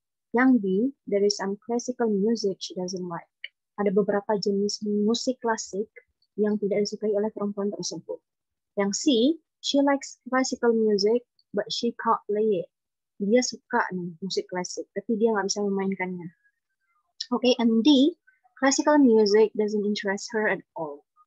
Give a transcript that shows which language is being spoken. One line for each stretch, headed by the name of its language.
English: Yang B, there is some classical music she doesn't like.
Indonesian: Ada beberapa jenis musik klasik yang tidak disukai oleh perempuan tersebut.
English: Yang C, she likes classical music but she can't play it.
Indonesian: Dia suka nih musik klasik, tapi dia nggak bisa memainkannya.
English: Okay, and D, classical music doesn't interest her at all.